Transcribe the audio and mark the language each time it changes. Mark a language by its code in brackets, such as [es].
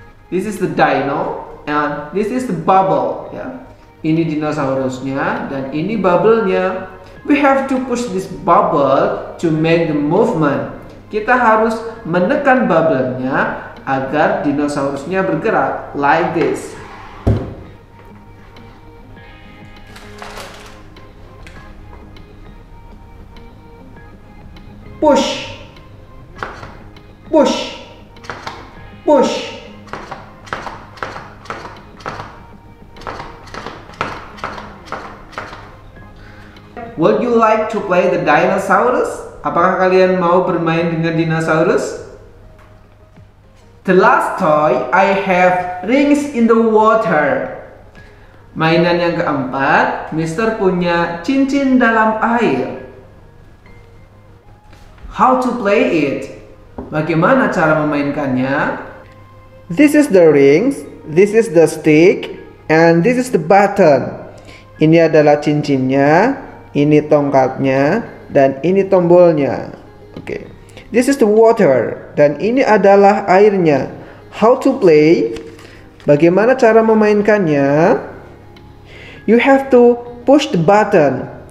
[en] This is the dino and this is the bubble. Yeah. [id] Ini dinosaurusnya dan ini bubble-nya. [en] We have to push this bubble to make the movement. [id] Kita harus menekan bubble-nya agar dinosaurusnya bergerak. [en] Like this. Push. Push. Push. Would you like to play the dinosaurus? [id] Apakah kalian mau bermain dengan dinosaurus? [en] The last toy, I have rings in the water. [id] Mainan yang keempat, Mister punya cincin dalam air. [en] How to play it? [id] Bagaimana cara memainkannya? [en] This is the rings, this is the stick, and this is the button. [id] Ini adalah cincinnya, ini tongkatnya, dan ini tombolnya. Okay. [en] This is the water, [id] dan ini adalah airnya. [en] How to play? [id] Bagaimana cara memainkannya? [en] You have to push the button.